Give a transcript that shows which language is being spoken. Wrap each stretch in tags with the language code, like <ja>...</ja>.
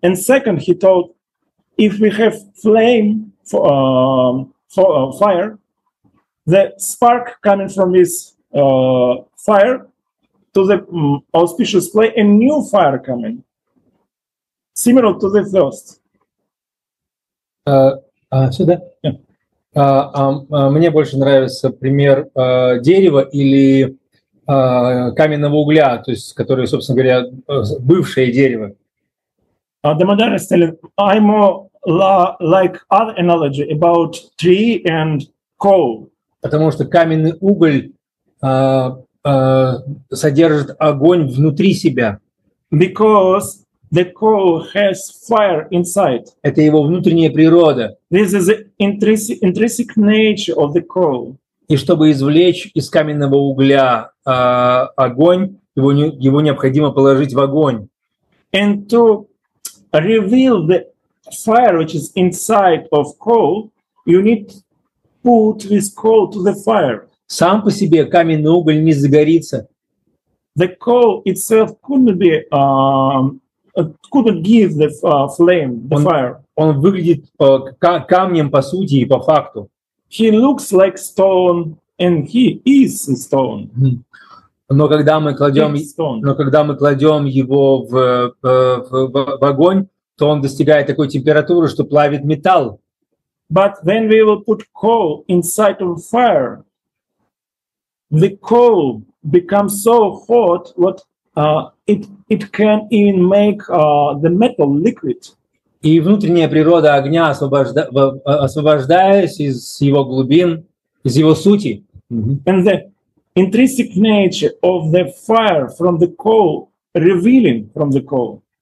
<en>And second, he taught if we have flame for fire, the spark coming from this fire to the auspicious play, a new fire coming, similar to the first.</en> <ru>Сюда. Yeah. Мне больше нравится пример дерева или каменного угля, то есть, который, собственно говоря, бывшее дерево.</ru> <en>The modern style, I more like other analogy about tree and coal.</en> <ru>Потому что каменный уголь содержит огонь внутри себя.</ru> <en>Because the coal has fire inside.</en> <ru>Это его внутренняя природа.</ru> <en>This is the intrinsic nature of the coal.</en> <ru>И чтобы извлечь из каменного угля огонь, его необходимо положить в огонь.</ru> <en>And to reveal the fire which is inside of coal, you need put this coal to the fire.</en> <ru>Сам по себе каменный уголь не загорится.</ru> <en>The coal itself couldn't be couldn't give the flame, the fire.</en> <ru>Он выглядит камнем по сути и по факту.</ru> <en>He looks like stone, and he is stone.</en> <ru>Но когда мы кладем, его в огонь, то он достигает такой температуры, что плавит металл.</ru> <en>But when we will put coal inside of fire, the coal becomes so hot what it can even make the metal liquid.</en> <ru>И внутренняя природа огня, освобождаясь из его глубин, из его сути.</ru> <en>And the intrinsic nature of the fire from the coal, revealing from the coal.</en>